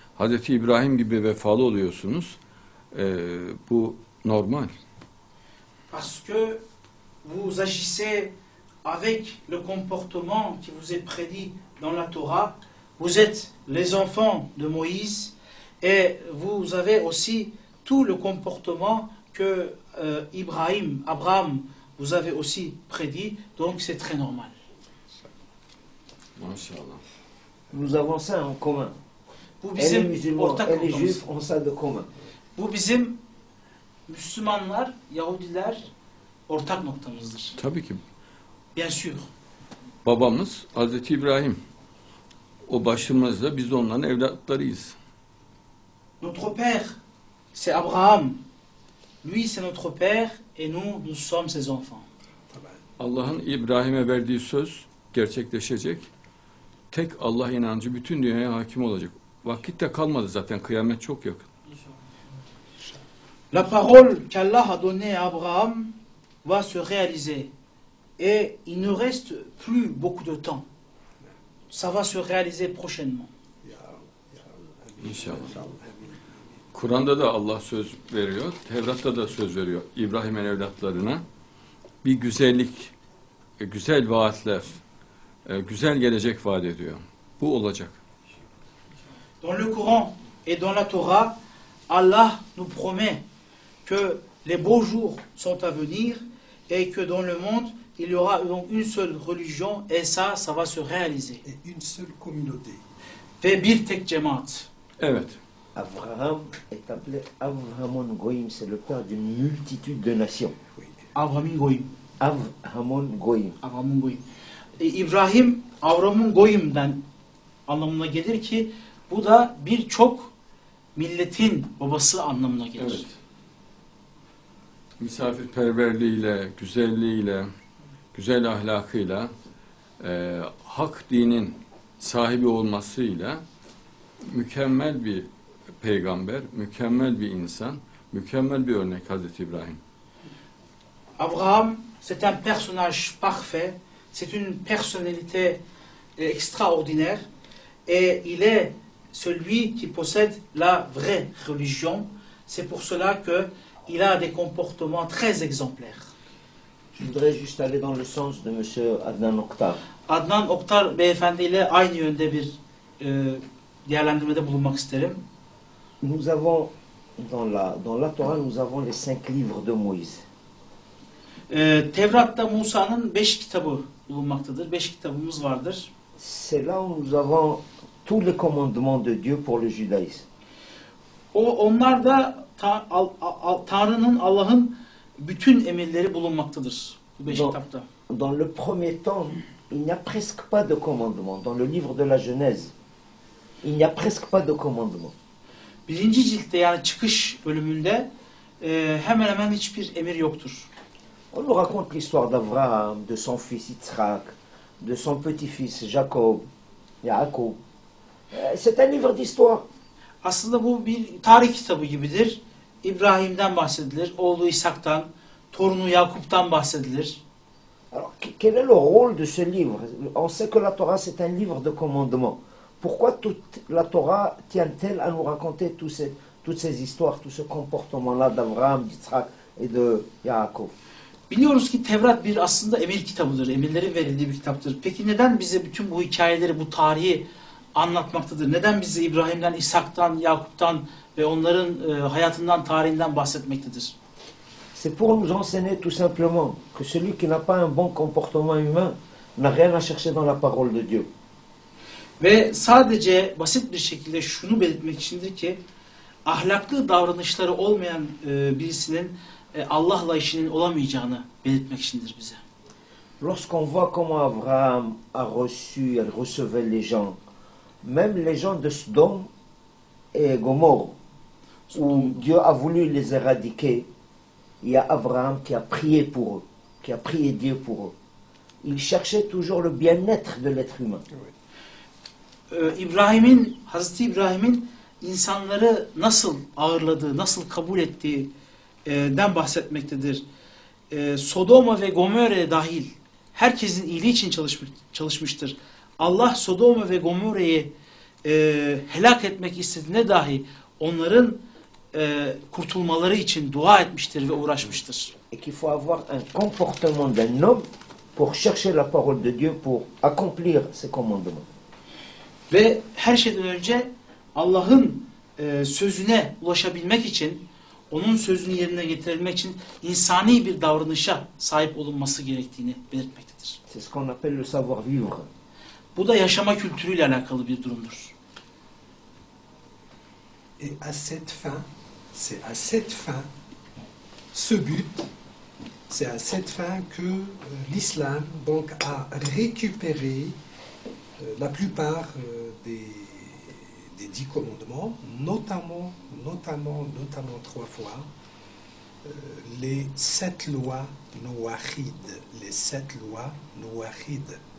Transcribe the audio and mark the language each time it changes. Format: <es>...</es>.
<tr>Hazreti İbrahim gibi vefalı oluyorsunuz. Bu normal.</tr> <fr>Parce que vous agissez avec le comportement qui vous est prédit dans la Torah. Vous êtes les enfants de Moïse et vous avez aussi tout le comportement que Ibrahim, Abraham, vous avez aussi prédit, donc c'est très normal. Nous avons ça en commun. Bizim, elle est musulmane, elle est juive, on a ça de commun.</fr> <tr>Bu bizim Müslümanlar, Yahudiler ortak noktamızdır. Tabii ki.</tr> <fr>Bien sûr.</fr> <tr>Babamız Hazreti İbrahim. O başımızda biz onların evlatlarıyız.</tr> <fr>Notre père, c'est Abraham. Lui, c'est notre père et nous sommes ses enfants.</fr> <tr>Allah'ın İbrahim'e verdiği söz gerçekleşecek. Tek Allah inancı bütün dünyaya hakim olacak. Vakit de kalmadı zaten, kıyamet çok yakın.</tr> <fr>La parole qu'Allah a donnée à Abraham va se réaliser. Et il ne reste plus beaucoup de temps. Ça va se réaliser prochainement.</fr> <tr>İnşallah. Kur'an'da da Allah söz veriyor, Tevrat'ta da söz veriyor İbrahim'in evlatlarına. Bir güzellik, güzel vaatler, güzel gelecek vaat ediyor. Bu olacak.</tr> <fr>Dans le Coran et dans la Torah, Allah nous promet que les beaux jours sont à venir et que dans le monde, il y aura donc une seule religion et ça, ça va se réaliser. Et une seule communauté.</fr> <tr>Ve bir tek cemaat. Evet.</tr> <fr>Abraham est appelé Avramon Goyim, c'est le père d'une multitude de nations. Avramon Goyim. Avramon Goyim. Avramon Goyim.</fr> <tr>İbrahim Avramon Goyim'den anlamına gelir ki bu da birçok milletin babası anlamına gelir. Evet. Misafirperverliğiyle, güzelliğiyle, güzel ahlakıyla, hak dinin sahibi olmasıyla mükemmel bir peygamber, mükemmel bir insan, mükemmel bir örnek Hazreti İbrahim.</tr> <fr>Abraham, c'est un personnage parfait, c'est une personnalité extraordinaire et il est celui qui possède la vraie religion. C'est pour cela que il a des comportements très exemplaires. Je voudrais juste aller dans le sens de monsieur Adnan Oktar.</fr> <tr>Adnan Oktar beyefendi ile aynı yönde bir değerlendirmede bulunmak isterim.</tr> <fr>Nous avons dans la Torah nous avons les 5 livres de Moïse.</fr> <tr>Tevrat'ta Musa'nın 5 kitabı bulunmaktadır. 5 kitabımız vardır.</tr> <fr>C'est là où nous avons tous les commandements de Dieu pour le judaïsme.</fr> <tr>Onlar da Tanrı'nın, Allah'ın bütün emirleri bulunmaktadır bu 5 kitapta.</tr> <fr>Dans le premier temps, il n'y a presque pas de commandement dans le livre de la Genèse. Il n'y a presque pas de commandement.</fr> <tr>Birinci ciltte yani çıkış bölümünde hemen hemen hiçbir emir yoktur.</tr> <fr>On nous raconte l'histoire d'Abraham, de son fils Yitzhak, de son petit-fils Jacob, Yaakov. C'est un livre d'histoire.</fr> <tr>Aslında bu bir tarih kitabı gibidir. İbrahim'den bahsedilir, oğlu İshak'tan, torunu Yakup'tan bahsedilir.</tr> <fr>Alors, quel est le rôle de ce livre? On sait que la Torah c'est un livre de commandement. Pourquoi toute la Torah tient-elle à nous raconter toutes ces histoires, tout ce comportement-là d'Abraham, d'Yitzhak et de Yaakov?</fr> <tr>Biliyoruz ki Tevrat bir aslında emir kitabıdır, emirlerin verildiği bir kitaptır. Peki neden bize bütün bu hikayeleri, bu tarihi anlatmaktadır? Neden bize İbrahim'den, İshak'tan, Yakup'tan ve onların hayatından, tarihinden bahsetmektedir?</tr> <fr>C'est pour nous enseigner tout simplement que celui qui n'a pas un bon comportement humain n'a rien à chercher dans la parole de Dieu.</fr> <tr>Ve sadece basit bir şekilde şunu belirtmek içindir ki ahlaklı davranışları olmayan birisinin Allah'la işinin olamayacağını belirtmek içindir bize.</tr> <fr>Lorsqu'on voit comment Abraham a reçu et recevait les gens, même les gens de Sodome et Gomorre, où Dieu a voulu les éradiquer, il y a Abraham qui a prié pour eux, qui a prié Dieu pour eux. Il cherchait toujours le bien-être de l'être humain.</fr> <tr>İbrahim'in, Hazreti İbrahim'in insanları nasıl ağırladığı, nasıl kabul ettiği den bahsetmektedir. Sodoma ve Gomorre dahil herkesin iyiliği için çalışmıştır. Allah Sodoma ve Gomorre'yi helak etmek istediğine dahi onların kurtulmaları için dua etmiştir ve uğraşmıştır.</tr> <fr>Et qu'il faut avoir un comportement d'un homme pour chercher la parole de Dieu pour accomplir ses commandements.</fr> <tr>Ve her şeyden önce Allah'ın sözüne ulaşabilmek için, onun sözünü yerine getirmek için insani bir davranışa sahip olunması gerektiğini belirtmektedir.</tr> <fr>C'est ce qu'on appelle le savoir vivre.</fr> <tr>Bu da yaşama kültürüyle alakalı bir durumdur.</tr> <fr>Et à cette fin, c'est à cette fin, ce but, c'est à cette fin que l'islam donc a récupéré la plupart des 10 commandements, notamment 3 fois, les 7 lois nouahides, les 7 lois nouahides.</fr>